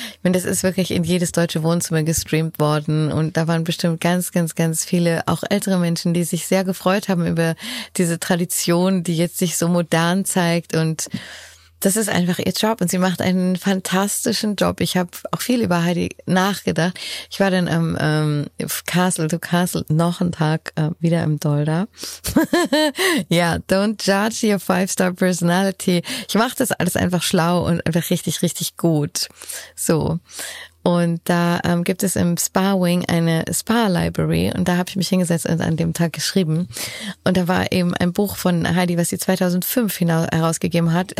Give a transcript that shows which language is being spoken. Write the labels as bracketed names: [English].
[German] Ich meine, das ist wirklich in jedes deutsche Wohnzimmer gestreamt worden und da waren bestimmt ganz, ganz, ganz viele, auch ältere Menschen, die sich sehr gefreut haben über diese Tradition, die jetzt sich so modern zeigt, und das ist einfach ihr Job und sie macht einen fantastischen Job. Ich habe auch viel über Heidi nachgedacht. Ich war dann am Castle to Castle noch einen Tag wieder im Dolda. Ja, [English] don't judge your five-star personality. [German] Ich mache das alles einfach schlau und einfach richtig, richtig gut. So. Und da gibt es im Spa Wing eine Spa Library und da habe ich mich hingesetzt und an dem Tag geschrieben. Und da war eben ein Buch von Heidi, was sie 2005 herausgegeben hat.